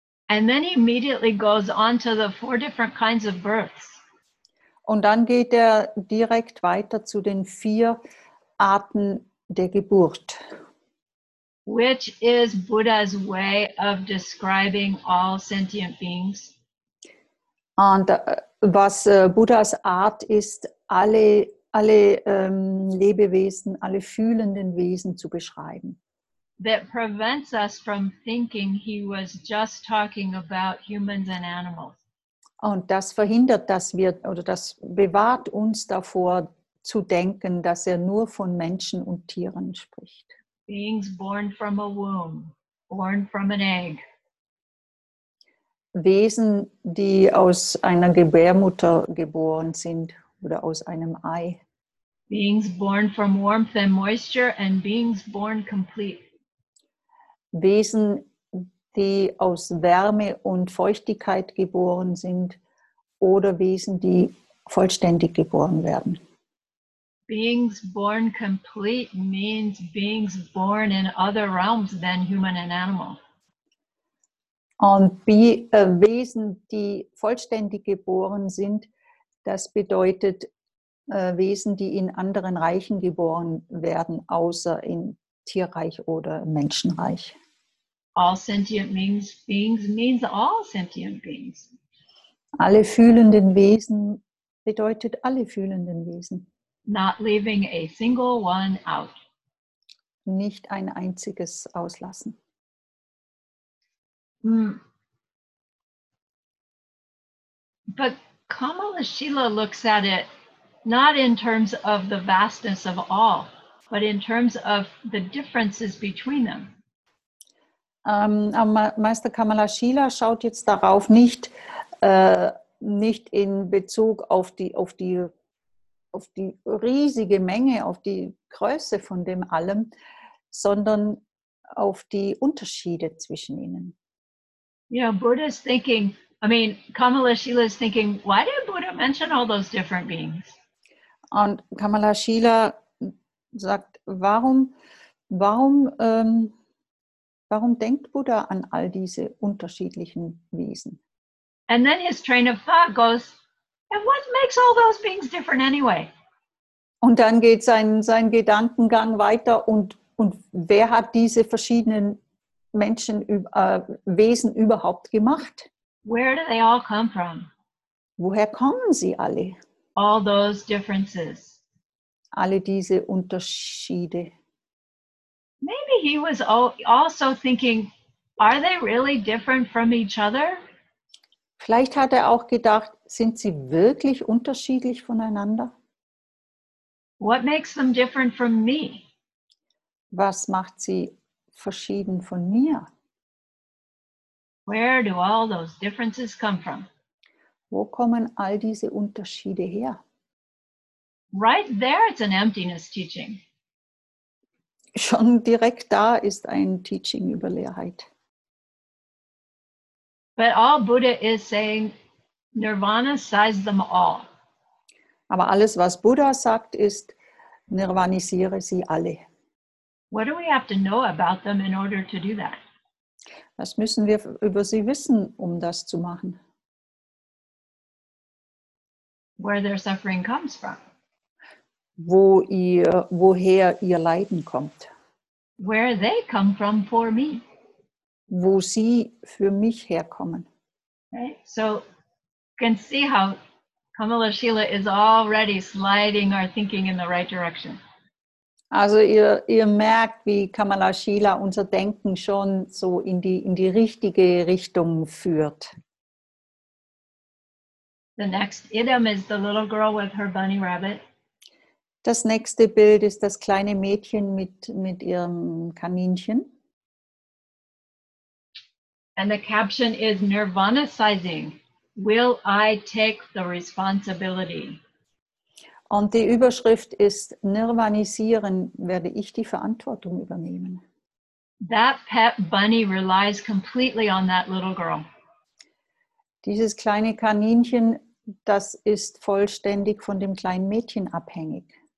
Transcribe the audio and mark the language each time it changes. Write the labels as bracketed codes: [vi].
[en] And then he immediately goes on to the four different kinds of births. [de] Und dann geht er direkt weiter zu den vier Arten der Geburt. [en] Which is Buddha's way of describing all sentient beings. [de] Und was Buddhas Art ist, alle Lebewesen, alle fühlenden Wesen zu beschreiben. [en] That prevents us from thinking he was just talking about humans and animals. [de] Und das verhindert, dass wir, oder das bewahrt uns davor zu denken, dass er nur von Menschen und Tieren spricht. [en] Beings born from a womb, born from an egg. [de] Wesen, die aus einer Gebärmutter geboren sind oder aus einem Ei. [en] Beings born from warmth and moisture and beings born complete. [de] Wesen, die aus Wärme und Feuchtigkeit geboren sind oder Wesen, die vollständig geboren werden. [en] Beings born complete means beings born in other realms than human and animal. [de] Und Wesen, die vollständig geboren sind, das bedeutet Wesen, die in anderen Reichen geboren werden, außer in Tierreich oder Menschenreich. [en] All sentient beings means all sentient beings. [de] Alle fühlenden Wesen bedeutet alle fühlenden Wesen. [en] Not leaving a single one out. [de] Nicht ein einziges auslassen. [en] But Kamalashila looks at it not in terms of the vastness of all, but in terms of the differences between them. [de] Meister Kamalashila schaut jetzt darauf nicht in Bezug auf die riesige Menge, auf die Größe von dem Allem, sondern auf die Unterschiede zwischen ihnen. [en] Yeah, Buddha's thinking. I mean, Kamalashila is thinking. Why did Buddha mention all those different beings? [de] Und Kamalashila sagt, warum denkt Buddha an all diese unterschiedlichen Wesen? [en] And then his train of thought goes, and what makes all those beings different anyway? [de] Und dann geht sein Gedankengang weiter und wer hat diese verschiedenen Menschen, Wesen überhaupt gemacht? [en] Where do they all come from? [de] Woher kommen sie alle? [en] All those differences. [de] Alle diese Unterschiede. [en] Maybe he was also thinking, are they really different from each other? [de] Vielleicht hat er auch gedacht, sind sie wirklich unterschiedlich voneinander? [en] What makes them different from me? [de] Was macht sie verschieden von mir? [en] Where do all those differences come from? [de] Wo kommen all diese Unterschiede her? [en] Right there, it's an emptiness teaching. [de] Schon direkt da ist ein Teaching über Leerheit. [en] But all Buddha is saying, Nirvana size them all. [de] Aber alles, was Buddha sagt, ist, nirvanisiere sie alle. [en] What do we have to know about them in order to do that? [de] Was müssen wir über sie wissen, um das zu machen? [en] Where their suffering comes from. [de] Woher ihr Leiden kommt. [en] Where they come from for me. [de] Wo sie für mich herkommen. [en] Okay, so you can see how Kamalashila is already sliding our thinking in the right direction. [de] Also ihr merkt, wie Kamalashila unser Denken schon so in die richtige Richtung führt. [en] The next item is the little girl with her bunny rabbit. [de] Das nächste Bild ist das kleine Mädchen mit ihrem Kaninchen. [en] And the caption is Nirvana sizing. Will I take the responsibility? [de] Und die Überschrift ist Nirvanisieren, werde ich die Verantwortung übernehmen? [en] That pet bunny relies completely on that little girl. [de] Dieses kleine Kaninchen, das ist vollständig von dem kleinen Mädchen abhängig.